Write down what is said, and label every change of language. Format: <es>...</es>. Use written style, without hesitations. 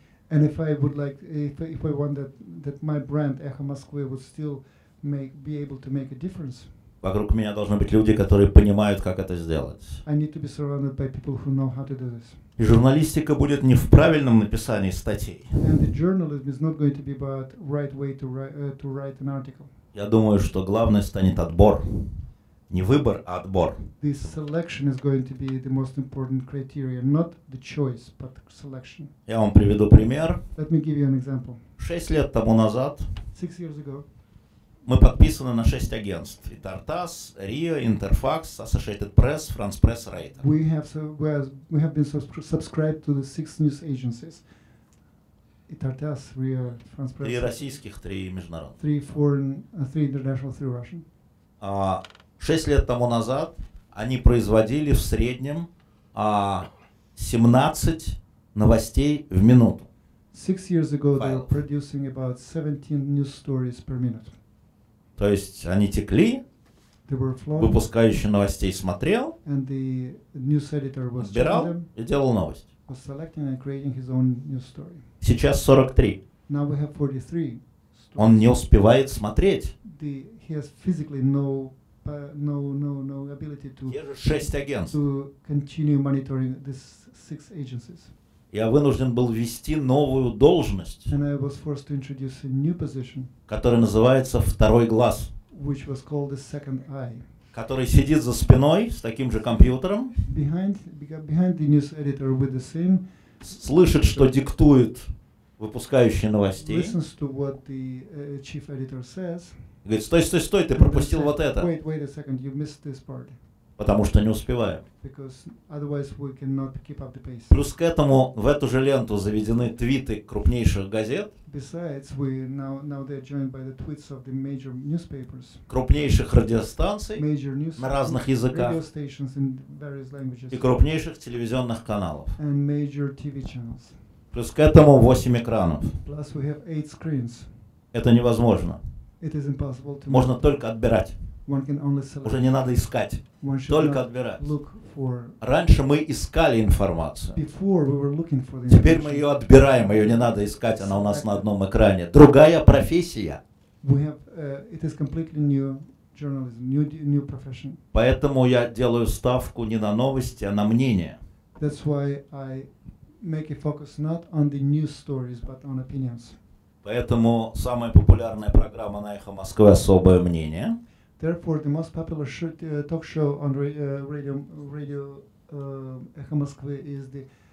<en>and if I would like, if I want that my brand Echo Moscow would still be able to make a difference,</en> <ru>вокруг меня должны быть люди, которые понимают, как это сделать.</ru> <en>I need to be surrounded by people who know how to do this.</en> <ru>И журналистика будет не в правильном написании статей.</ru> <en>And the journalism is not going to be about right way to write an article.</en> <ru>Я думаю, что главное станет отбор. Не выбор, а отбор.</ru> <en>This selection is going to be the most important criteria, not the choice, but selection.</en> <ru>Я вам приведу пример.</ru> <en>Let me give you an example.</en> <ru>6 лет тому назад.</ru> <en>6 years ago.</en> <ru>Мы подписаны на 6 агентств. И Tartas, Rio, Interfax, Associated Press, France Press, Reuters.</ru> <en>We have been subscribed to the 6 news agencies. Tartas, Rio, France Press.</en> <ru>3 российских, 3 международных.</ru> <en>3 foreign, 3 international, 3 Russian.</en> <ru>6 лет тому назад они производили в среднем 17 новостей в минуту.</ru> <en>6 years ago they were producing about 17 news stories per minute.</en> <ru>То есть они текли, выпускающий новостей смотрел, собирал и делал новость.</ru> <en>Was selecting and creating his own news story.</en> <ru>Сейчас 43.</ru> <en>Now we have 43 stories.</en> <ru>Он не успевает смотреть.</ru> <en>He has physically no ability to continue monitoring these 6 agencies.</en> <ru>Я вынужден был ввести новую должность,</ru> <en>and I was forced to introduce a new position,</en> <ru>которая называется второй глаз,</ru> <en>which was called the second eye,</en> <ru>который сидит за спиной с таким же компьютером,</ru> <en>behind the news editor with the same,</en> <ru>слышит, что диктует выпускающий новостей,</ru> <en>listens to what the chief editor says.</en> <ru>Говорит, стой, ты пропустил вот это.</ru> <en>Wait a second, you missed this part.</en> <ru>Потому что не успеваем.</ru> <en>Because otherwise we cannot keep up the pace.</en> <ru>Плюс к этому в эту же ленту заведены твиты крупнейших газет.</ru> <en>Besides, we now they're joined by the tweets of the major newspapers.</en> <ru>Крупнейших радиостанций</ru> <en>major news</en> <ru>на разных языках.</ru> <en>Radio stations in various languages.</en> <ru>И крупнейших телевизионных каналов.</ru> <en>And major TV channels.</en> <ru>Плюс к этому 8 экранов.</ru> <en>Plus we have 8 screens.</en> <ru>Это невозможно.</ru> <en>It is impossible to</en> <ru>можно</ru> <en>make.</en> <ru>Только отбирать.</ru> <en>One can only select.</en> <ru>Уже не надо искать.</ru> <en>One should</en> <ru>только</ru> <en>not</en> <ru>отбирать.</ru> <en>Look for.</en> <ru>Раньше мы искали информацию.</ru> <en>Before we were looking for the information.</en> <ru>Теперь мы ее отбираем, ее не надо искать, она у нас на одном экране. Другая профессия.</ru> <en>We have, it is completely new journalism, new profession.</en> <ru>Поэтому я делаю ставку не на новости, а на мнение.</ru> <en>That's why I make a focus not on the news stories, but on opinions.</en> <ru>Поэтому самая популярная программа на «Эхо Москвы» — «Особое мнение».</ru> <en>Therefore, the most popular talk show on radio «Эхо Москвы» is the</en>